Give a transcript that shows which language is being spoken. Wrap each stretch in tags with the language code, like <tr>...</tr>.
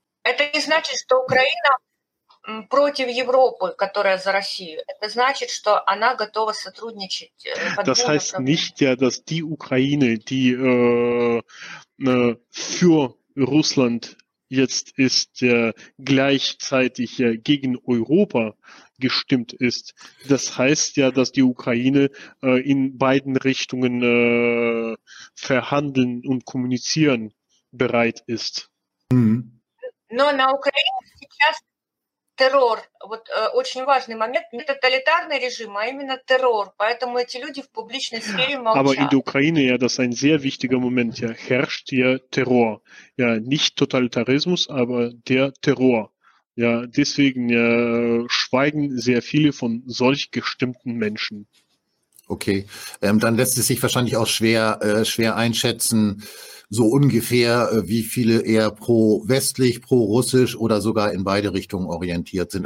<ru>Это не значит, что Украина против Европы, которая за Россию. Это значит, что она готова сотрудничать.</ru> <de>Das heißt nicht, ja, dass die Ukraine, die für Russland jetzt ist, gleichzeitig gegen Europa gestimmt ist. Das heißt ja, dass die Ukraine in beiden Richtungen verhandeln und kommunizieren bereit ist.</de> <ru>Но на Украине сейчас террор, вот очень важный момент, не тоталитарный режим, а именно террор. Поэтому эти люди в публичной сфере молчат.</ru> <de>Aber in der Ukraine, ja, das ist ein sehr wichtiger Moment, ja, herrscht ja Terror. Ja, nicht Totalitarismus, aber der Terror. Ja, deswegen schweigen sehr viele von solch gestimmten Menschen. Okay, dann lässt es sich wahrscheinlich auch schwer einschätzen, so ungefähr, wie viele eher pro-westlich, pro-russisch oder sogar in beide Richtungen orientiert sind.</de>